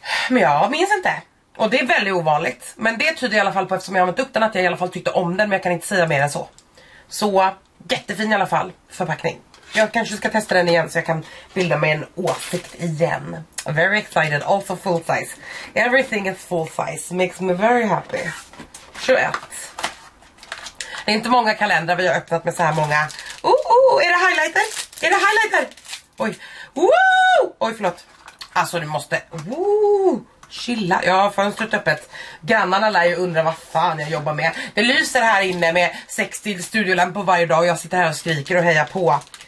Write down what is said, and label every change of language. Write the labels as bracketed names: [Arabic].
[Swedish] Men jag minns inte. Och det är väldigt ovanligt. Men det tyder i alla fall på, eftersom jag använde upp den, att jag i alla fall tyckte om den, men jag kan inte säga mer än så. Så jättefin i alla fall förpackning. Jag kanske ska testa den igen så jag kan bilda mig en åsikt igen. [English] Very excited, also full size. Everything is full size, makes me very happy. 21. [Swedish] Det är inte många kalendrar vi har öppnat med så här många. Är det highlighter? Är det highlighter? Oj, oj förlåt. Alltså du måste, chilla, jag har fönstret öppet. Grannarna lär ju undra vad fan jag jobbar med. Det lyser här inne med 60 studiolampor varje dag och jag sitter här och skriker och hejar på.